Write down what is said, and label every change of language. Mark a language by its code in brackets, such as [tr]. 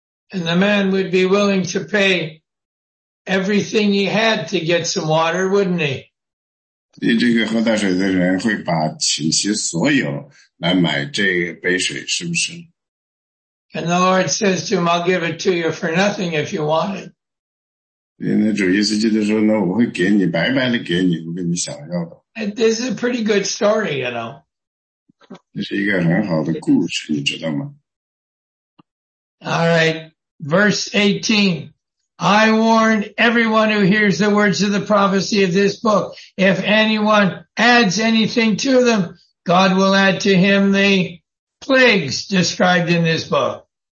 [en] And the man would be willing to pay everything he had to get some water, wouldn't he? [zh] 你这个喝大水的人会把倾其所有来买这杯水，是不是？ [en] And the Lord says to him, I'll give it to you for nothing if you want it. [zh] 那主耶稣基督说呢，我会给你，白白的给你，我给你想要的。 [en] This is a pretty good story, you know. [zh] 这是一个很好的故事，你知道吗？ [en] All right. Verse 18, I warn everyone who hears the words of the prophecy of this book, if anyone adds anything to them, God will add to him the plagues described in this book.